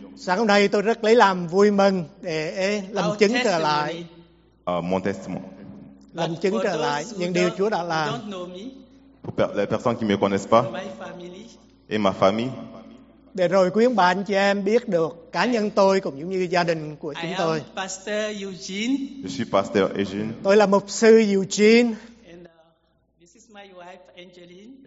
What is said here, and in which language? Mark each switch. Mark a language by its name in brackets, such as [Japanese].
[Vietnamese] Sáng hôm nay tôi rất lấy làm vui mừng để làm our chứng trở lại. [English] Mon testimony. [Vietnamese] Làm chứng trở lại những điều Chúa đã làm. [French] Pour les personnes qui ne me connaissent pas. Et ma famille. [Vietnamese] Để rồi quý ông bà anh chị em biết được cá nhân tôi cũng như gia đình của chúng tôi. [English] I am Pastor Eugene. [French] Je suis Pasteur Eugene. [Vietnamese] Tôi là mục sư Eugene. [English] And this is my wife Angeline.